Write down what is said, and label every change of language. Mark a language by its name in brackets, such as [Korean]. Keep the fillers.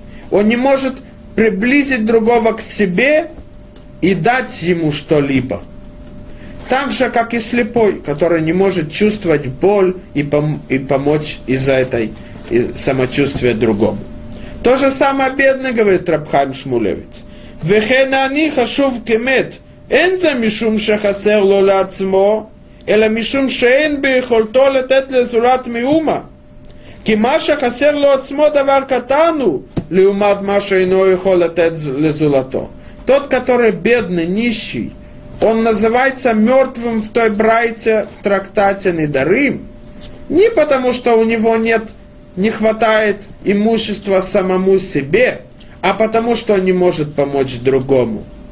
[Russian] Он не может приблизить другого к себе и дать ему что-либо. Так же, как и слепой, который не может чувствовать боль и, пом- и помочь из-за этой из- самочувствия другому. То же самое бедный, говорит Рабхайм Шмулевец – [Hebrew] וכן אני חשוב כמת. אין זה משום שחסר לו לעצמו, אלא משום שאין ביכולתו לתת לזולת מאומה. כי מה שחסר לו עצמו דבר קטן הוא, לעומת מה שאינו יכול לתת לזולתו. [Russian] Тот, который бедный, нищий, он называется мертвым в той брайте, в трактате Недарим, не потому, что у него нет, не хватает имущества самому себе – а потому что он не может помочь другому.